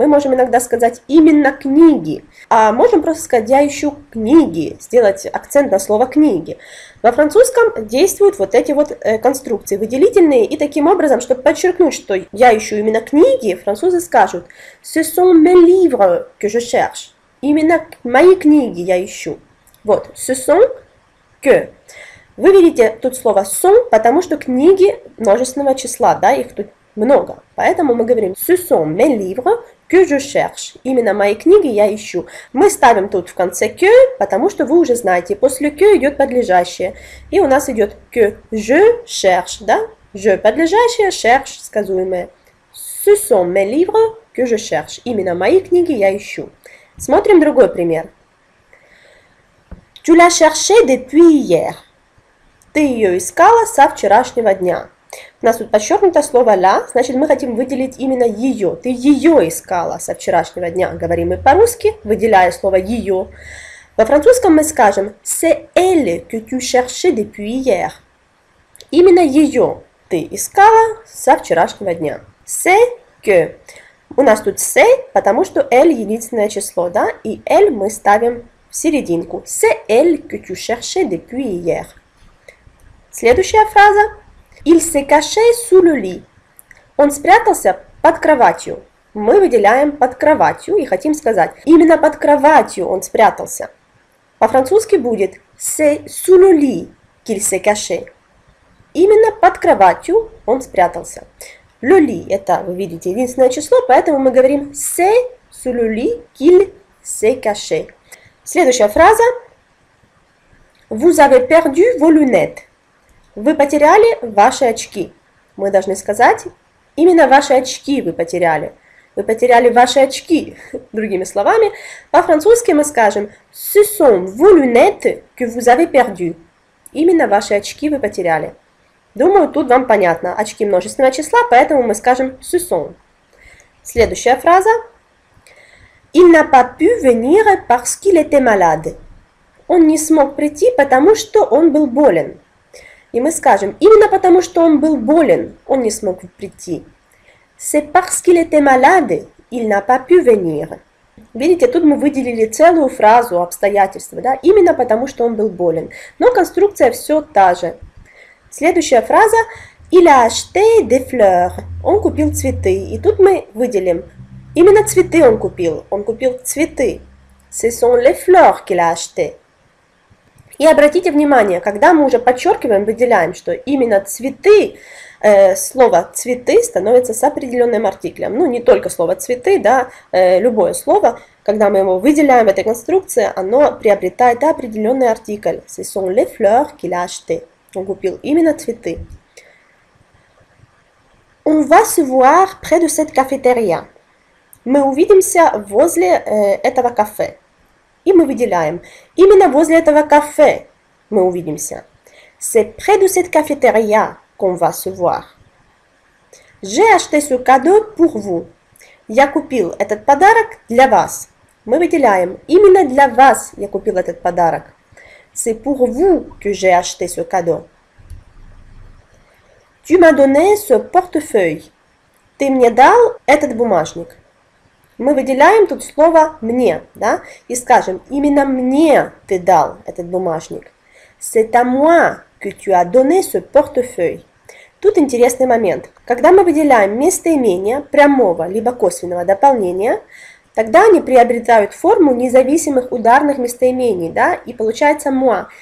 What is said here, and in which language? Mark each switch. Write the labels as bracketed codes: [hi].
[ru] Мы можем иногда сказать «именно книги», а можем просто сказать «я ищу книги», сделать акцент на слово «книги». Во французском действуют вот эти вот конструкции, выделительные, и таким образом, чтобы подчеркнуть, что я ищу именно книги, французы скажут [fr] «Ce sont mes livres que je cherche». [ru] Именно мои книги я ищу. [fr] Вот, «ce sont que». [ru] Вы видите тут слово «sont», потому что книги множественного числа, да, их тут много. Поэтому мы говорим [fr] «ce sont mes livres que je cherche». [ru] Именно мои книги я ищу. Мы ставим тут в конце «que», потому что вы уже знаете, после «que» идет подлежащее. И у нас идет [fr] «que je cherche», [ru] да? «Je» – подлежащее, «cherche» – сказуемое. [fr] «Ce sont mes livres que je cherche». [ru] Именно мои книги я ищу. Смотрим другой пример. [fr] «Tu l'as cherché depuis hier». [ru] «Ты ее искала со вчерашнего дня». У нас тут подчеркнуто слово «la», значит, мы хотим выделить именно ее. «Ты ее искала со вчерашнего дня», говорим мы по-русски, выделяя слово «ее». Во французском мы скажем [fr] «c'est elle que tu cherchais depuis hier». [ru] Именно ее ты искала со вчерашнего дня. [fr] «C'est que». [ru] У нас тут «c'est», потому что «l» – единственное число, да? И «l» мы ставим в серединку. [fr] «C'est elle que tu cherchais depuis hier». [ru] Следующая фраза. [fr] «Il s'est caché sous le lit». [ru] Он спрятался под кроватью. Мы выделяем «под кроватью» и хотим сказать «именно под кроватью он спрятался». По-французски будет [fr] «c'est sous le lit qu'il s'est caché». [ru] Именно под кроватью он спрятался. «Le lit» – это, вы видите, единственное число, поэтому мы говорим [fr] «c'est sous le lit qu'il s'est caché». [ru] Следующая фраза. [fr] «Vous avez perdu vos lunettes». [ru] Вы потеряли ваши очки. Мы должны сказать, именно ваши очки вы потеряли. Вы потеряли ваши очки. Другими словами, по-французски мы скажем [fr] «Ce sont vos lunettes que vous avez perdu». [ru] Именно ваши очки вы потеряли. Думаю, тут вам понятно. Очки множественного числа, поэтому мы скажем «Ce sont». Следующая фраза. [fr] «Il n'a pas pu venir parce qu'il était malade». [ru] Он не смог прийти, потому что он был болен. И мы скажем, именно потому, что он был болен, он не смог прийти. [fr] C'est parce qu'il était malade, il n'a pas pu venir. [ru] Видите, тут мы выделили целую фразу, обстоятельства, да? Именно потому, что он был болен. Но конструкция все та же. Следующая фраза. [fr] Il a acheté des fleurs. [ru] Он купил цветы. И тут мы выделим. Именно цветы он купил. Он купил цветы. [fr] Ce sont les fleurs qu'il a achetées. [ru] И обратите внимание, когда мы уже подчеркиваем, выделяем, что именно цветы, слово цветы становится с определенным артиклем. Ну, не только слово цветы, да, любое слово, когда мы его выделяем в этой конструкции, оно приобретает определенный артикль. [fr] Ce sont les fleurs qu'il a achetées. [ru] Он купил именно цветы. [fr] On va se voir près de cette cafétéria. [ru] Мы увидимся возле этого кафе. И мы выделяем. Именно возле этого кафе мы увидимся. [fr] C'est près de cette cafétéria qu'on va se voir. J'ai acheté ce cadeau pour vous. [ru] Я купил этот подарок для вас. Мы выделяем. Именно для вас я купил этот подарок. [fr] C'est pour vous que j'ai acheté ce cadeau. Tu m'as donné ce portefeuille. [ru] Ты мне дал этот бумажник. Мы выделяем тут слово «мне», да, и скажем «именно мне ты дал этот бумажник». [fr] C'est à moi que tu as donné ce portefeuille. [ru] Тут интересный момент. Когда мы выделяем местоимение прямого либо косвенного дополнения, тогда они приобретают форму независимых ударных местоимений, да, и получается «moi».